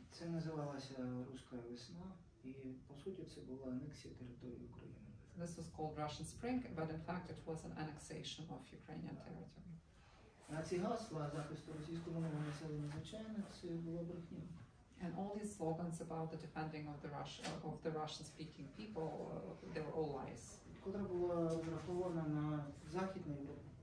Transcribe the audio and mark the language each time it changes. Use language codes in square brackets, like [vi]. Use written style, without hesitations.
[uk] Це називалася «Руська весна». І по суті це була анексія території України. [en] So this was called Russian Spring, but in fact it was an annexation of Ukrainian territory. [uk] А ці гасла захисту російськомовного населення, звичайно, це була брехня. [en] And all these slogans about the defending of the Russian speaking people, they were all lies. [uk] Котра була врахована на Західну Європу.